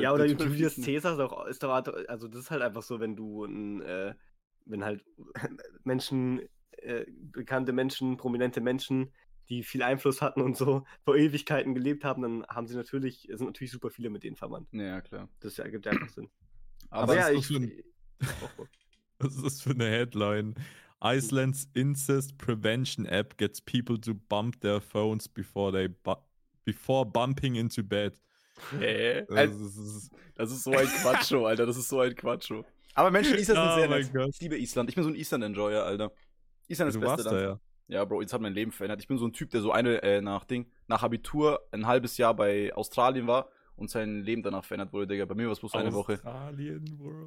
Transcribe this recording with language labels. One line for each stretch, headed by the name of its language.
German: Ja, oder Julius Caesar ist doch, also das ist halt einfach so, wenn du wenn halt Menschen. Bekannte Menschen, prominente Menschen, die viel Einfluss hatten und so vor Ewigkeiten gelebt haben, dann haben sie natürlich, sind natürlich super viele mit denen verwandt. Ja, klar. Das ergibt ja einfach Sinn. Aber ja, ich... Was ist das für eine Headline?
English: Iceland's Incest Prevention App gets people to bump their phones before they before bumping into bed.
German: Hä? Das ist so ein Quatscho, Alter. Das ist so ein Quatscho. Aber Menschen, Island sind sehr nett. Gott. Ich liebe Island. Ich bin so ein Island-Enjoyer, Alter. Ist ja das Beste dann. Ja, Bro, jetzt hat mein Leben verändert. Ich bin so ein Typ, der so nach Abitur ein halbes Jahr bei Australien war und sein Leben danach verändert wurde, Digga. Bei mir war es bloß eine Woche. Australien, Bro.